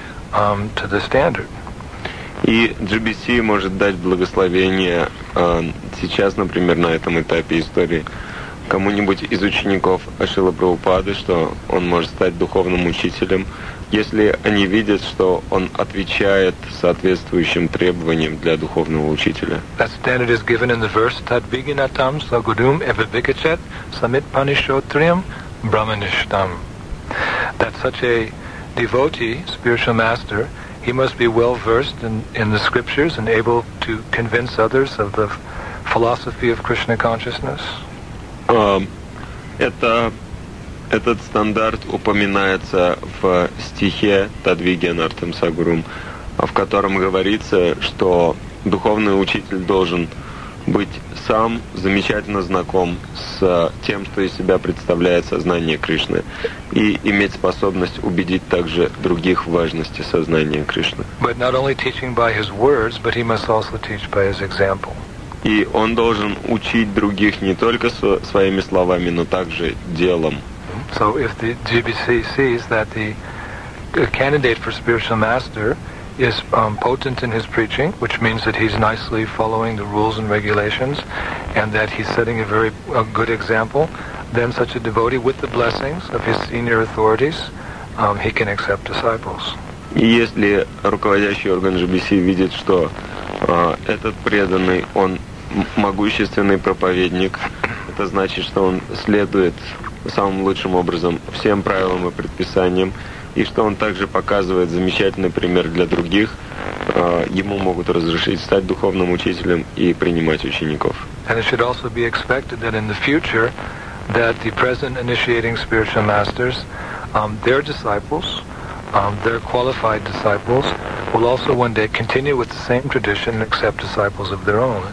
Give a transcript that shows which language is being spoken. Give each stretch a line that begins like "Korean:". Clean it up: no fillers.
English: to the standard.
Russian: И GBC может дать благословение сейчас, например, на этом этапе истории кому-нибудь из учеников Ашрила Прабхупады, что он может стать духовным учителем, если они видят, что он отвечает соответствующим требованиям для духовного учителя.
English: That standard is given in the verse
Sanskrit: Tadviginatam Sagudum Evavikachet Samitpanishotriam Brahmanishtam.
English: That such a devotee, spiritual master, he must be well versed in the scriptures and able to convince others of the philosophy of Krishna consciousness.
Russian: Этот стандарт упоминается в стихе
Sanskrit: Тадвиген Артем Сагурум,
Russian: в котором говорится, что духовный учитель должен быть сам замечательно знаком с тем, что из себя представляет сознание Кришны, и иметь способность убедить также других в важности сознания Кришны.
English: But not only teaching by his words, but he must also teach by his example.
Russian: И он должен учить других не только своими словами, но также делом.
English: So if the GBC sees that the candidate for spiritual master is potent in his preaching, which means that he's nicely following the rules and regulations, and that he's setting a very good example, then such a devotee, with the blessings of his senior authorities, he can accept disciples.
Russian: Если руководящий орган GBC видит, что этот преданный, он могущественный проповедник, это значит, что он следует самым лучшим образом всем правилам и предписаниям, и что он также показывает замечательный пример для других, ему могут разрешить стать духовным учителем и принимать учеников.
English: And it should also be expected that in the future that the present initiating spiritual masters, their disciples, their qualified disciples, will also one day continue with the same tradition and accept disciples of their own.